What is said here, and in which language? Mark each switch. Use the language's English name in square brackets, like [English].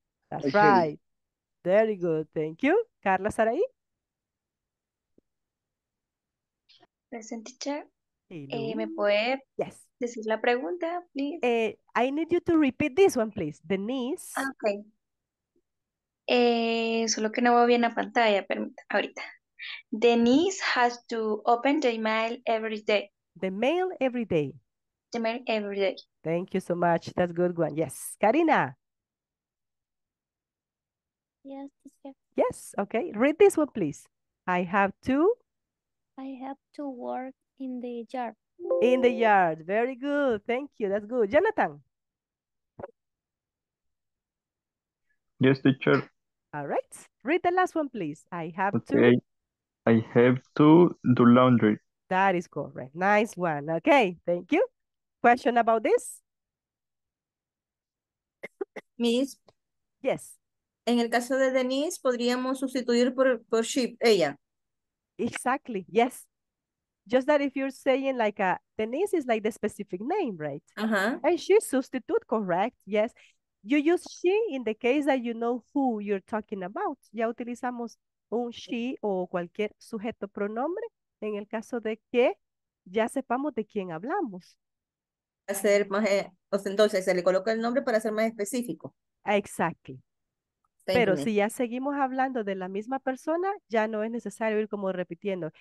[English] That's right. Very good. Thank you. Carla Sarai? Present teacher. [Spanish] ¿Me puede [English] yes. [Spanish] decir la pregunta, please? [English] I need you to repeat this one, please. Denise. Okay. [Spanish] Solo que no veo bien la pantalla, permita, ahorita. [English] Denise has to open the email every day. The mail every day. The mail every day. Thank you so much. That's a good one. Yes. Karina. Yes. Yes. Okay. Read this one, please. I have to work. In the yard. In the yard. Very good. Thank you. That's good. Jonathan. Yes, teacher. All right. Read the last one, please. I have to do laundry. That is correct. Nice one. Okay. Thank you. Question about this? Miss. Yes. [Spanish] En el caso de Denise, podríamos sustituir por she, ella. [English] Exactly. Yes. Just that if you're saying like a Denise is like the specific name, right? Uh-huh. And she's substitute, correct? Yes. You use she in the case that you know who you're talking about. [Spanish] Ya utilizamos un she o cualquier sujeto pronombre en el caso de que ya sepamos de quién hablamos. Hacer más, entonces se le coloca el nombre para ser más específico. [English] Exactly. [Spanish] Pero si ya seguimos hablando de la misma persona, ya no es necesario ir como repitiendo.